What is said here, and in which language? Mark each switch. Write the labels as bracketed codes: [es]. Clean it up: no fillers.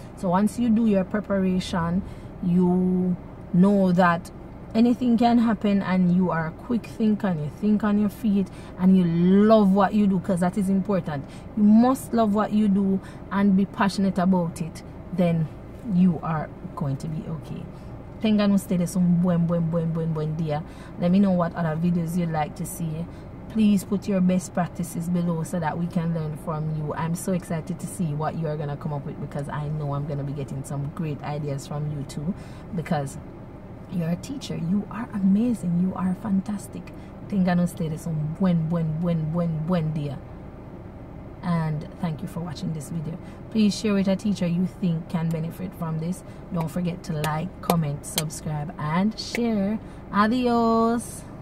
[en] So once you do your preparation, you know that anything can happen and you are a quick thinker and you think on your feet and you love what you do, because that is important. You must love what you do and be passionate about it, then you are going to be okay. [es] Tengan ustedes un buen día. [en] Let me know what other videos you'd like to see. Please put your best practices below so that we can learn from you. I'm so excited to see what you are going to come up with, because I know I'm going to be getting some great ideas from you too, because you're a teacher. You are amazing. You are fantastic. [es] Tengan ustedes un buen día. [en] And thank you for watching this video. Please share with a teacher you think can benefit from this. Don't forget to like, comment, subscribe, and share. Adios.